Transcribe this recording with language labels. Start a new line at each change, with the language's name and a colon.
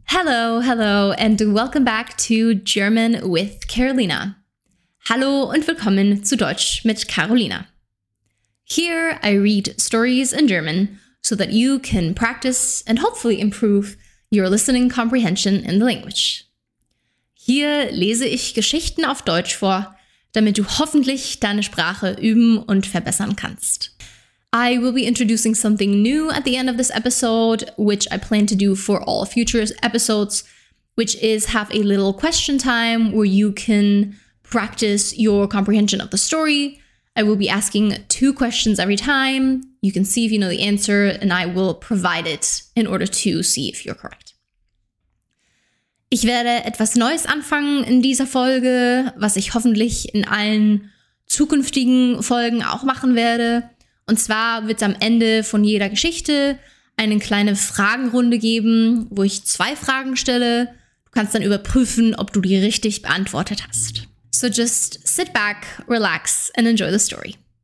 English: Hello, hello, and welcome back to German with Carolina.
German: Hallo und willkommen zu Deutsch mit Carolina.
English: Here I read stories in German so that you can practice and hopefully improve your listening comprehension in the language.
German: Hier lese ich Geschichten auf Deutsch vor, damit du hoffentlich deine Sprache üben und verbessern kannst.
English: I will be introducing something new at the end of this episode, which I plan to do for all future episodes, which is have a little question time where you can practice your comprehension of the story. I will be asking two questions every time. You can see if you know the answer, and I will provide it in order to see if you're correct.
German: Ich werde etwas Neues anfangen in dieser Folge, was ich hoffentlich in allen zukünftigen Folgen auch machen werde. Und zwar wird es am Ende von jeder Geschichte eine kleine Fragenrunde geben, wo ich zwei Fragen stelle. Du kannst dann überprüfen, ob du die richtig beantwortet hast.
English: So just sit back, relax and enjoy the story.